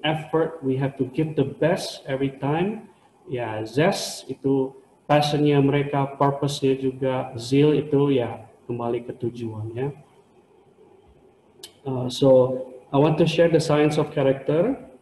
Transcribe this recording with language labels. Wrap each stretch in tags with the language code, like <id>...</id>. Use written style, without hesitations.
<en>Effort, we have to give the best every time.</en> <id>Ya, zest itu passionnya mereka, purpose-nya juga. Zeal itu ya kembali ke tujuannya.</id> <en>So, I want to share the science of character.</en>